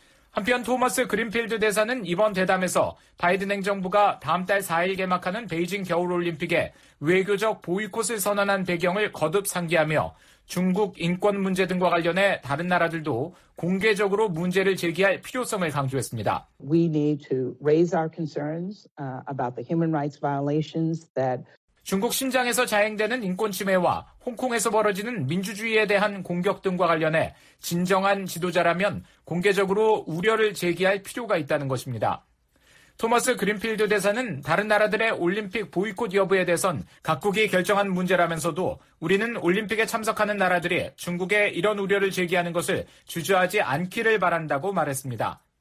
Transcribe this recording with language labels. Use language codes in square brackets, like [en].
[ko] 한편 토머스 그린필드 대사는 이번 대담에서 바이든 행정부가 다음 달 4일 개막하는 베이징 겨울올림픽에 외교적 보이콧을 선언한 배경을 거듭 상기하며 중국 인권 문제 등과 관련해 다른 나라들도 공개적으로 문제를 제기할 필요성을 강조했습니다. [en] We need to raise our concerns about the human rights violations that [ko] 중국 신장에서 자행되는 인권침해와 홍콩에서 벌어지는 민주주의에 대한 공격 등과 관련해 진정한 지도자라면 공개적으로 우려를 제기할 필요가 있다는 것입니다. 토머스 그린필드 대사는 다른 나라들의 올림픽 보이콧 여부에 대해선 각국이 결정한 문제라면서도 우리는 올림픽에 참석하는 나라들이 중국에 이런 우려를 제기하는 것을 주저하지 않기를 바란다고 말했습니다.